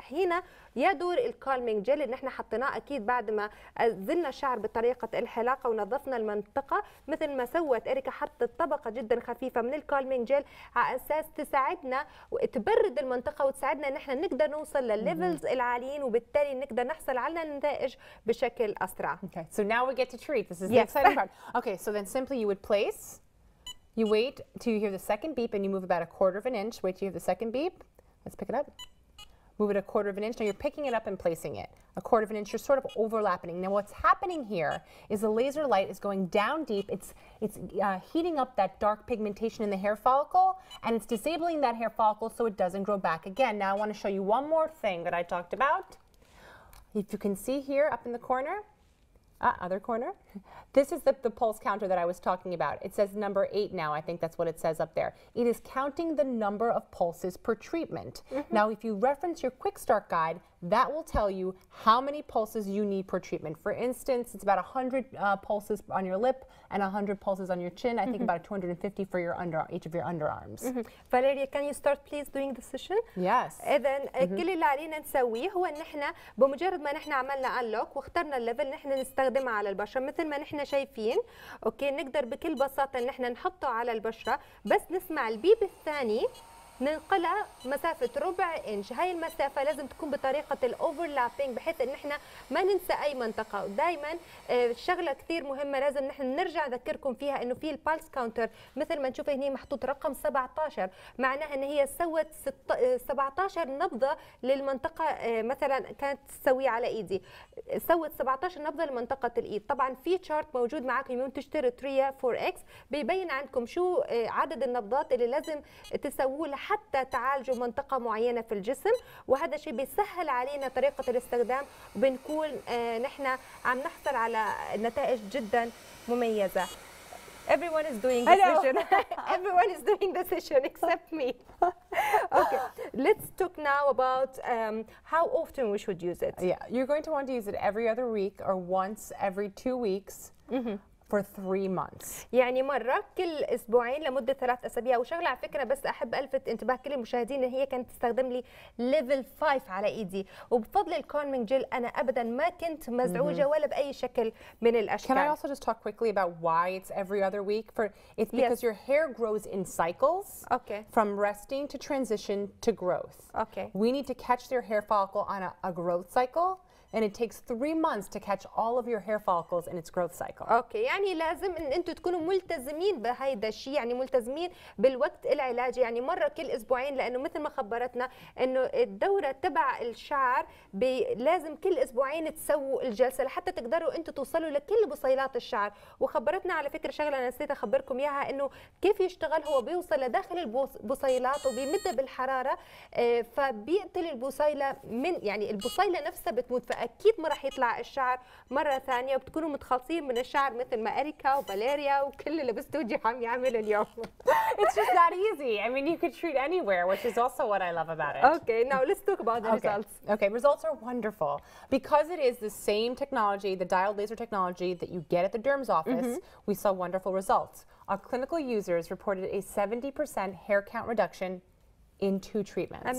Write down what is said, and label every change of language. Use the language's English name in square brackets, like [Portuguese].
[Arabic] هنا يا دور الكالمينج جيل ان احنا حطيناه اكيد بعد ما زلنا الشعر بطريقه الحلاقه ونظفنا المنطقه، مثل ما سوت اريكا حطت طبقه جدا خفيفه من الكالمينج جيل على اساس تساعدنا وتبرد المنطقه وتساعدنا ان احنا نقدر نوصل للليفلز العاليين، وبالتالي نقدر نحصل على النتائج بشكل اسرع. [English] Okay. So now we get to treat. This is the exciting part. Okay, so then simply you would place, you wait till you hear the second beep, and you move about 1/4 inch. Wait till you hear the second beep. Let's pick it up. Move it 1/4 inch. Now you're picking it up and placing it. 1/4 inch, you're sort of overlapping. Now what's happening here is the laser light is going down deep. It's heating up that dark pigmentation in the hair follicle, and it's disabling that hair follicle so it doesn't grow back again. Now I want to show you one more thing that I talked about. If you can see here up in the corner, other corner, this is the pulse counter that I was talking about. It says number 8 now. I think that's what it says up there. It is counting the number of pulses per treatment. Now, if you reference your quick start guide, that will tell you how many pulses you need per treatment. For instance, it's about 100 pulses on your lip and 100 pulses on your chin. I think about 250 for your each of your underarms. Valeria, can you start please doing the session? Yes. [Arabic] إذن كل اللي علينا نسويه هو إن إحنا بمجرد ما نحنا عملنا unlock واخترنا الليفل نحنا نستخدمه على البشرة مثل ما نحنا شايفين. أوكي، نقدر بكل بساطة إن إحنا نحطه على البشرة، بس نسمع البيب الثاني. ننقلها مسافة 1/4 inch. هاي المسافة لازم تكون بطريقة الأوفرلابينج بحيث إن إحنا ما ننسى أي منطقة. دائما الشغلة كثير مهمة لازم نحن نرجع ذكركم فيها، إنه في البالس كاونتر مثل ما نشوف هنا محطوط رقم 17، معناها إن هي سوت 17 نبضة للمنطقة. مثلا كانت تسوي على إيدي، سوت 17 نبضة لمنطقة الإيد. طبعا في شارت موجود معاكم يوم تشتري تريا 4X بيبين عندكم شو عدد النبضات اللي لازم تسووه حتى تعالجوا منطقة معينة في الجسم، وهذا شيء بيسهل علينا طريقة الاستخدام، وبنكون نحن عم نحصل على نتائج جدا مميزة. [English] Everyone is doing the session. Everyone is doing the session except me. Okay, let's talk now about how often we should use it. Yeah, you're going to want to use it every other week or once every 2 weeks. for 3 months. [Arabic] يعني مره كل اسبوعين لمده 3 اسابيع. وشغله على فكره بس احب الفت انتباه كل المشاهدين ان هي كانت تستخدم لي ليفل 5 على ايدي, وبفضل الكولمينج جيل انا ابدا ما كنت مزعوجه ولا باي شكل من الاشكال. [English] Can I also just talk quickly about why it's every other week? For it's because yes. your hair grows in cycles. Okay. From resting to transition to growth. Okay. We need to catch their hair follicle on a growth cycle. And it takes 3 months to catch all of your hair follicles in its growth cycle. [Arabic] Okay, يعني لازم إن أنتوا تكونوا ملتزمين بهذا الشيء, يعني ملتزمين بالوقت العلاجي, يعني مرة كل أسبوعين, لأنه مثل ما خبرتنا إنه الدورة تبع الشعر لازم كل أسبوعين تسووا الجلسة لحتى تقدروا أنتوا توصلوا لكل بصيلات الشعر. وخبرتنا على فكرة شغلة أنا نسيت أخبركم إياها, إنه كيف يشتغل هو, بيوصل لداخل البصيلات وبيمد بالحرارة, فبيقتل البصيلة من يعني البصيلة نفسها بتموت. فأكيد ما راح يطلع الشعر مرة ثانية, وبتكونوا متخلصين من الشعر مثل ما أريكا وفاليريا وكل اللي بستوجي عم يعمل اليوم. [English] It's just that easy. I mean, you could treat anywhere, which is also what I love about it. Okay, now let's talk about the results. Okay, results are wonderful. Because it is the same technology, the dialed laser technology that you get at the derm's office, mm-hmm. we saw wonderful results. Our clinical users reported a 70% hair count reduction in 2 treatments.